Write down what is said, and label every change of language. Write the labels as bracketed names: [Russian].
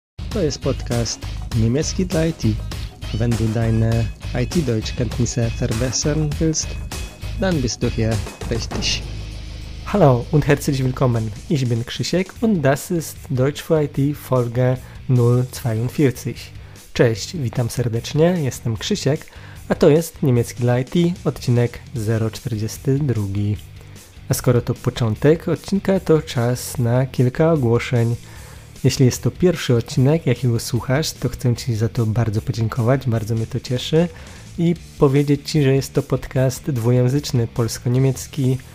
[Polish] To jest podcast Niemiecki dla IT. [German] Wenn du deine IT-Deutschkenntnisse verbessern willst, dann bist du hier richtig. Hallo und herzlich willkommen. Ich bin Krzysiek und das ist Deutsch für IT Folge 042. [Polish] Cześć, witam serdecznie, jestem Krzysiek, a to jest Niemiecki dla IT, odcinek 042. A skoro to początek odcinka, to czas na kilka ogłoszeń. Jeśli jest to pierwszy odcinek, jakiego słuchasz, to chcę Ci za to bardzo podziękować, bardzo mnie to cieszy i powiedzieć Ci, że jest to podcast dwujęzyczny, polsko-niemiecki.